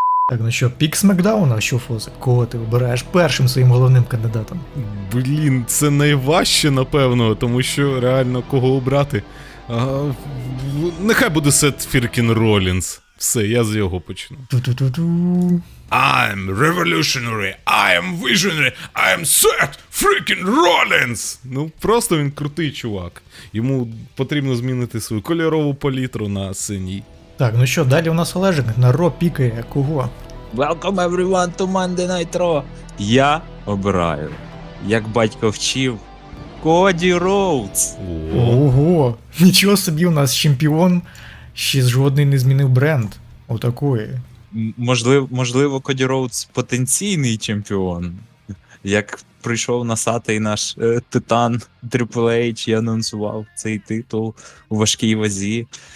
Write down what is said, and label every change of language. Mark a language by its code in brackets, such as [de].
[uk] Так, ну що, пік Смакдауна, що Фози? Кого ти обираєш першим своїм головним кандидатом? Блін, це найважче, напевно, тому що реально кого обрати? А, нехай буде Сет Фіркін Ролінс. Все, я з його почну. Ту-ту-ту-ту. [en] I'm revolutionary, I'm visionary, I'm Seth freaking Rollins! [uk] Ну, просто він крутий чувак. Йому потрібно змінити свою кольорову палітру на синій. Так, ну що, далі у нас Олежик на Ро пікає кого? [en] Welcome everyone to Monday Night Raw! [uk] Я обираю, як батько вчив, Коді Роудс! Ого! Нічого собі, у нас чемпіон ще жодний не змінив бренд. Отакої. Можливо, Коді Роудс потенційний чемпіон, як прийшов насатий наш титан Triple H і анонсував цей титул у важкій вазі.